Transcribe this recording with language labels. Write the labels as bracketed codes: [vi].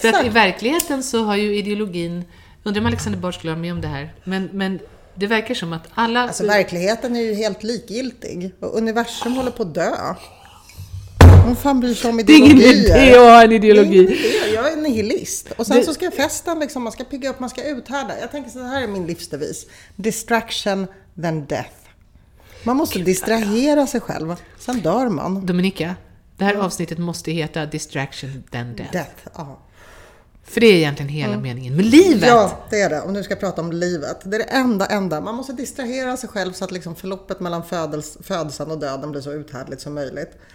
[sv] För att i verkligheten så har ju ideologin... Undrar om Alexander Bard skulle ha med om det här, men det verkar som att alla... Alltså verkligheten är ju helt likgiltig. Och universum håller på att dö. Hon fan bryr sig om ideologier. Det är ingen idé att ha en ideologi. Jag är nihilist. Och sen det... så ska festen liksom, man ska pigga upp, man ska uthärda. Jag tänker så här är min livsdevis. [en] Distraction, then death. [sv] Man måste distrahera sig själv. Sen dör man. Dominika, det här avsnittet måste heta [en] Distraction, then death. [sv] Death, ja. För det är egentligen hela meningen med livet. Ja, det är det. Om du ska prata om livet. Det är det enda. Man måste distrahera sig själv så att liksom förloppet mellan födelsen och döden blir så uthärdligt som möjligt.